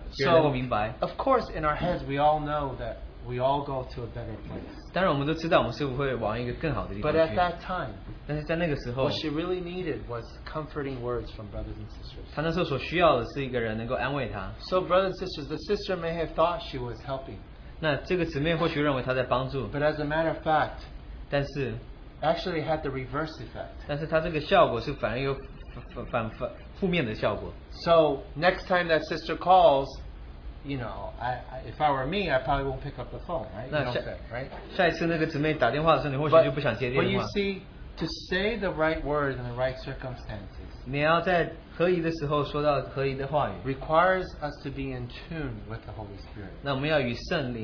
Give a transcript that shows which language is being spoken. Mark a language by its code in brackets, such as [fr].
[en] so, of course, in our heads, we all know that we all go to a better place. [zh] 当然我们都知道我们是不会往一个更好的地方去。 [en] But at that time, [zh] 但是在那个时候, [en] what she really needed was comforting words from brothers and sisters. [zh] 她那时候所需要的是一个人能够安慰她。 [en] So brothers and sisters, the sister may have thought she was helping. [zh] 那这个姊妹或许认为她在帮助。 [en] But as a matter of fact, [zh] 但是, [en] actually had the reverse effect. [zh] 但是她这个效果是反而有负面的效果。 [en] So next time that sister calls, if I were me, I probably won't pick up the phone, right? But you see, to say the right word in the right circumstances requires us to be in tune with the Holy Spirit.